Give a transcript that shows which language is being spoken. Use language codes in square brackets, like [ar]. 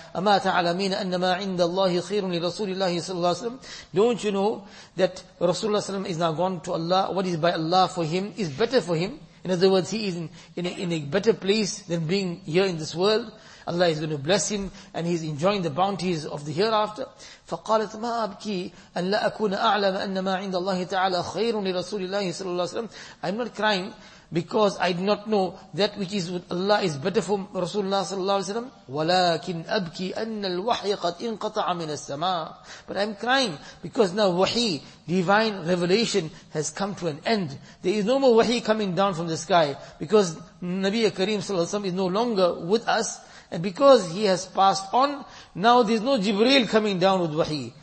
[ar] أَمَا تَعْلَمِينَ أَنَّمَا عِنْدَ اللَّهِ خَيْرٌ لِرَسُولِ اللَّهِ صَلَّى اللَّهِ وَسَلَّمْ [en] Don't you know that Rasulullah SAW is now gone to Allah? What is by Allah for him is better for him. In other words, he is in a better place than being here in this world. Allah is going to bless him, and he's enjoying the bounties of the hereafter. [ar] فَقَالَتْ مَا أَبْكِي أَنْ لَا أَكُونَ أَعْلَمَ أَنَّ مَا عِنْدَ اللَّهِ تَعَالَى خَيْرٌ لِرَسُولِ اللَّهِ صَلَّى اللَّهِ وَسَلَّمَ [en] I'm not crying because I do not know that which is with Allah is better for Rasulullah [ar] صلى الله عليه وسلم. وَلَكِنْ أَبْكِي أَنَّ الْوَحْيَ قَدْ إِنْقَطَعَ مِنَ السَّمَاءِ [en] But I'm crying because now wahi, divine revelation, has come to an end. There is no more wahi coming down from the sky because Nabi Kareem صلى الله عليه وسلم is no longer with us. And because he has passed on, now there's no Jibreel coming down with wahi.